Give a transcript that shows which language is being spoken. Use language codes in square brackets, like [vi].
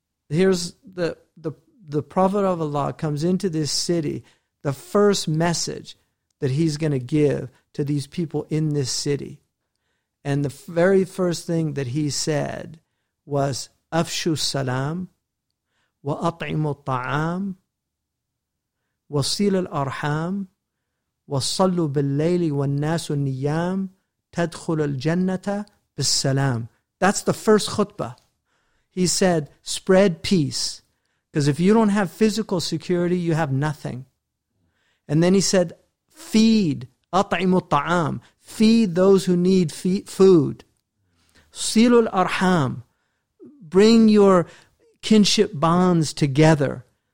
[en] Here's the Prophet of Allah comes into this city. The first message that he's going to give to these people in this city, and the very first thing that he said was "Afshu Salam," [ar] وأطعم الطعام وصل الأرحام وصلوا بالليل والناس النيام تدخل الجنة بالسلام. [en] That's the first khutbah. He said, spread peace. Because if you don't have physical security, you have nothing. And then he said, feed. [ar] أطعموا الطعام. [en] Feed those who need food. [ar] صِلُوا الأرحام. [en] Bring your kinship bonds together.